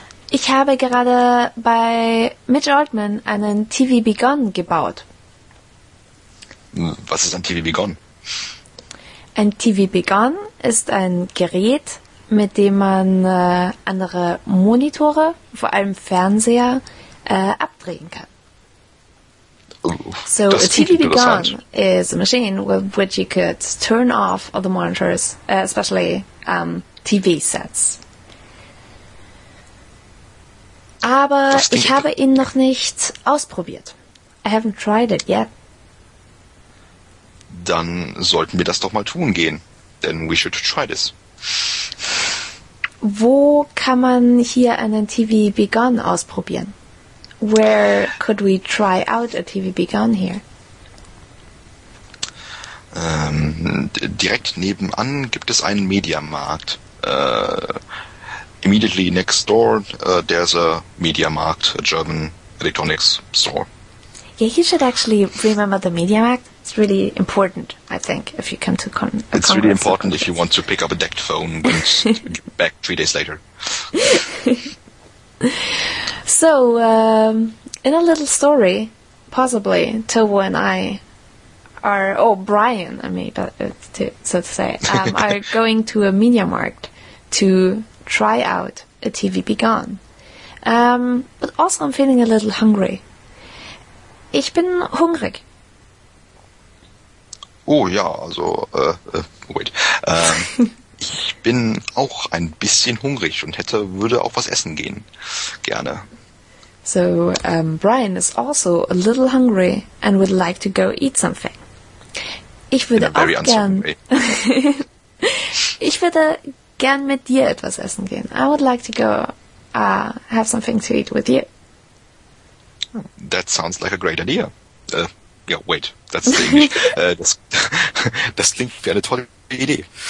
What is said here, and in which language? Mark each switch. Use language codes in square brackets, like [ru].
[de] Ich habe gerade bei Mitch Altman einen TV Begun gebaut. Was ist ein TV Begun? Ein TV Begun ist ein Gerät, mit dem man andere Monitore, vor allem Fernseher, abdrehen kann. So das [en] a TV Begun is a machine with which you could turn off other monitors, especially TV sets. [de] Aber ich habe ihn noch nicht ausprobiert. [en] I haven't tried it yet. [de] Dann sollten wir das doch mal tun gehen. [en] Then we should try this. [de] Wo kann man hier einen TV Begun ausprobieren? [en] Where could we try out a TV Begun here? [de] Direkt nebenan gibt es einen Mediamarkt. [en] Immediately next door, there's a Mediamarkt, a German electronics store. Yeah, you should actually remember the Mediamarkt. It's really important, I think, if you come to It's really important if you want to pick up a decked phone and back 3 days later. So, in a little story, possibly, Tovo and I are, oh, Brian and me, but so to say, are going to a Mediamarkt to try out a TV Begun. But also I'm feeling a little hungry. [de] Ich bin hungrig. Oh ja, also, [en] wait. [de] ich bin auch ein bisschen hungrig und würde auch was essen gehen. Gerne. [en] So, Brian is also a little hungry and would like to go eat something. [de] Ich würde ich würde gern mit dir etwas essen gehen. [en] I would like to go have something to eat with you. That sounds like a great idea. Yeah, wait, that's the English. [de] das klingt wie eine tolle Idee.